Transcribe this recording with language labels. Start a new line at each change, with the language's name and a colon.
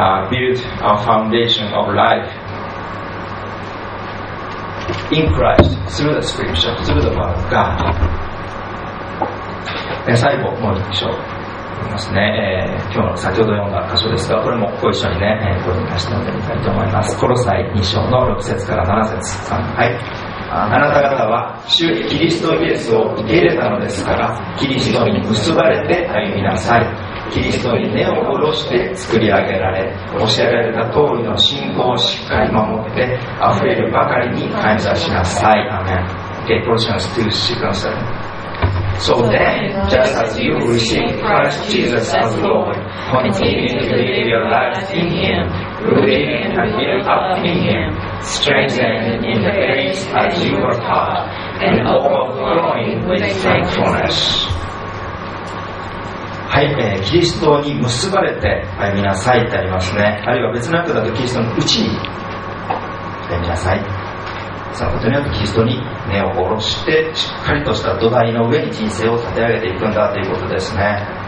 English: build a foundation of life in Christ through the scripture, through the word of God。
Japanese: 最後もう一章いますね。今日の先ほど読んだ箇所ですが、これもご一緒にね、ご読みして読んでみたいと思います。コロサイ2章の6節から7節さん、はい。あなた方は主キリストイエスを受け入れたのですから、キリストに結ばれて歩みなさい。キリストに根を下ろして作り上げられ、教えられた通りの信仰をしっかり守って溢れるばかりに感謝しなさい。アメン。
English: Okay, Colossians 2:6-7. So then, just as you received Christ Jesus as Lord, continue to live your life in Him, rooted and built up in Him, strengthened in the faith as you were taught, and overflowing with thankfulness.
Japanese: はい、キリストに結ばれて歩みなさいってありますね。あるいは別の訳だと、キリストの内に歩みなさい。そのことによってキリストに根を下ろして、しっかりとした土台の上に人生を立て上げていくんだということですね。